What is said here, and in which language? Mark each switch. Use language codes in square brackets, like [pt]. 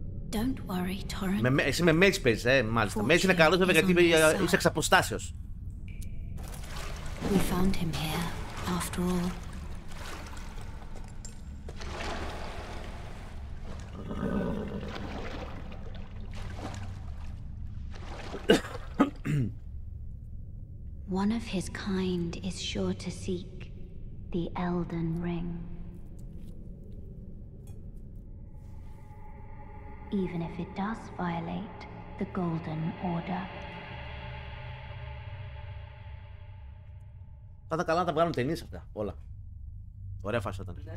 [en] Don't worry, Torrent. [el] Εσύ με mage παίζεις, μάλιστα. Mage είναι καλός βέβαια γιατί είσαι εξ αποστάσεως. [en] We found him here, after all. Ugh. One of his kind is sure to seek the Elden Ring. Even if it does violate the Golden Order. [el] Θα τα καλά να τα βγάλουν ταινίες αυτά, όλα. Ωραία φάση όταν.